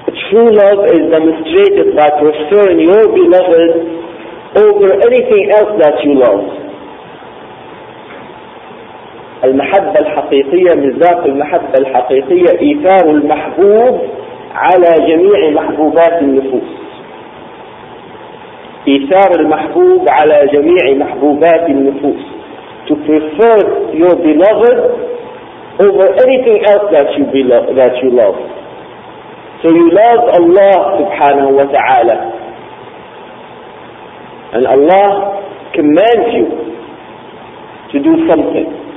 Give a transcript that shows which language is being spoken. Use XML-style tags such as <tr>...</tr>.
<en>True love is demonstrated by preferring your beloved over anything else that you love.</en> <ar>المحبة الحقيقية مصداق المحبة الحقيقية إيثار المحبوب على جميع محبوبات النفوس. إيثار المحبوب على جميع محبوبات النفوس.</ar> <en>To prefer your beloved over anything else that you beloved, that you love. So you love Allah سبحانه وتعالى. And Allah commands you to do something.</en>